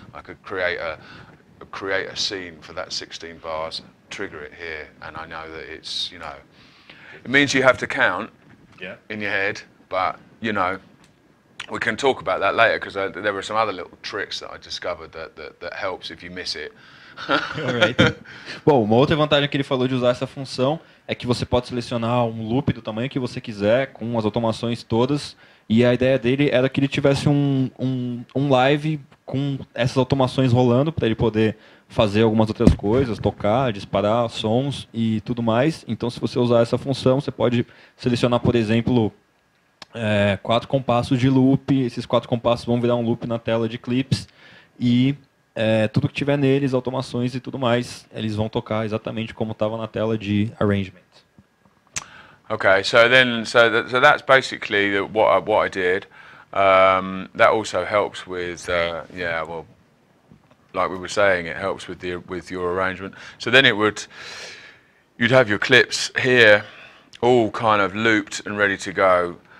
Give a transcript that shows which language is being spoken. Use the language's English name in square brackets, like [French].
[English] I could create a scene for that 16 bars, trigger it here, and I know that it's, you know, it means you have to count, yeah, in your head, but, you know, we can talk about that later, because there were some other little tricks that I discovered that helps if you miss it. [Portuguese] Bom, uma outra vantagem que ele falou de usar essa função é que você pode selecionar um loop do tamanho que você quiser, com as automações todas, e a ideia dele era que ele tivesse um live com essas automações rolando, para ele poder fazer algumas outras coisas, tocar, disparar sons e tudo mais. Então, se você usar essa função, você pode selecionar, por exemplo, quatro compassos de loop. Esses quatro compassos vão virar um loop na tela de clips. E tudo que tiver neles, automações e tudo mais, eles vão tocar exatamente como estava na tela de arrangement. [English] Okay, so then, so that's basically what I did. That also helps with, like we were saying, it helps with your arrangement. So then it would, you'd have your clips here, all kind of looped and ready to go.